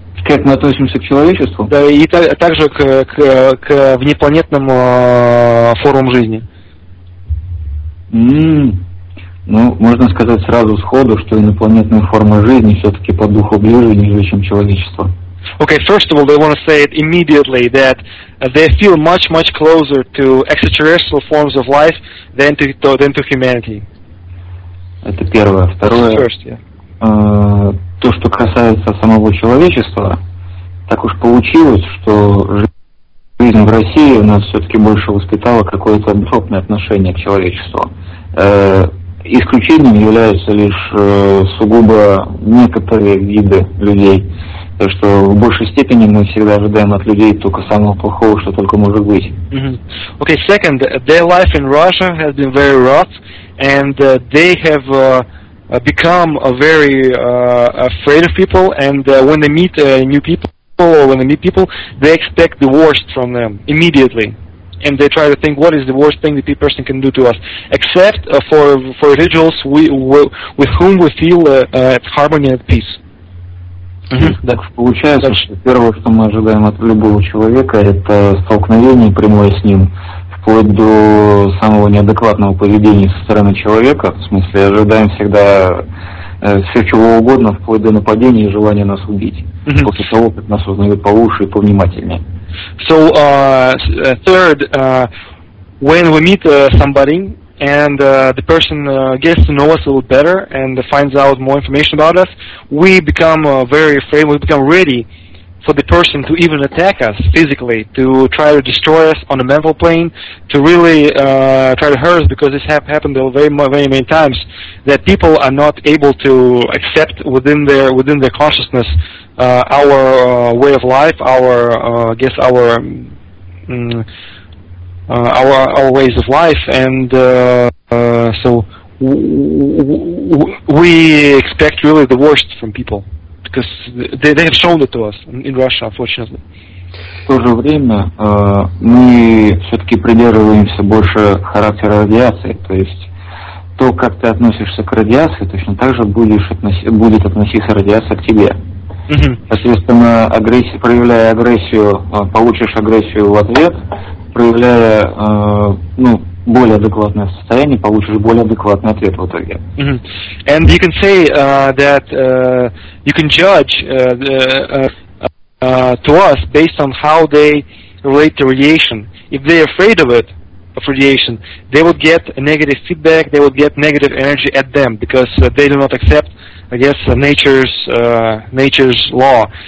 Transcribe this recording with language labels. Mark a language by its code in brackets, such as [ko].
[ru] Как мы относимся к человечеству? Да, и также к внепланетным формам жизни. Ну, можно сказать сразу сходу, что инопланетная форма жизни все-таки по духу ближе, ниже, чем человечество. [en] Okay, first of all, they want to say it immediately that they feel much, much closer to extraterrestrial forms of life than to humanity. [ru] Это первое. Второе, [en] first, yeah. [ru] То, что касается самого человечества, так уж получилось, что жизнь в России у нас все-таки больше воспитала какое-то антропное отношение к человечеству. Исключением являются лишь сугубо некоторые виды людей. То, что в большей степени мы всегда ожидаем от людей только самого плохого, что только может быть. Mm-hmm. [en] Okay, second, their life in Russia has been very rough, and they have become very afraid of people, and when they meet new people, or when they meet people, they expect the worst from them immediately. And they try to think, what is the worst thing that a person can do to us? Except for individuals with whom we feel at harmony and at peace. [ru] Так получается, что первое, что мы ожидаем от любого человека, это столкновение прямое с ним, вплоть до самого неадекватного поведения со стороны человека. В смысле, ожидаем всегда все чего угодно, вплоть до нападения и желания нас убить. После того, как нас узнают по уши и повнимательнее. [en] So, third, when we meet somebody and the person gets to know us a little better and finds out more information about us, we become very afraid, we become ready for the person to even attack us physically, to try to destroy us on a mental plane, to really try to hurt us, because this happened very, very many times, that people are not able to accept within their consciousness our way of life, our ways of life, and so we expect really the worst from people, because they have shown it to us in Russia, unfortunately. [ru] В то же время мы все-таки придерживаемся больше характера радиации, то есть то, как ты относишься к радиации, точно так же будет относиться радиация к тебе. Соответственно, проявляя агрессию, получишь агрессию в ответ, проявляя более адекватное состояние, получишь более адекватный ответ в итоге. [en] And you can say that you can judge to us based on how they relate to radiation. If they're afraid of it, of radiation, they would get a negative feedback, they would get negative energy at them, because they do not accept, I guess, nature's law.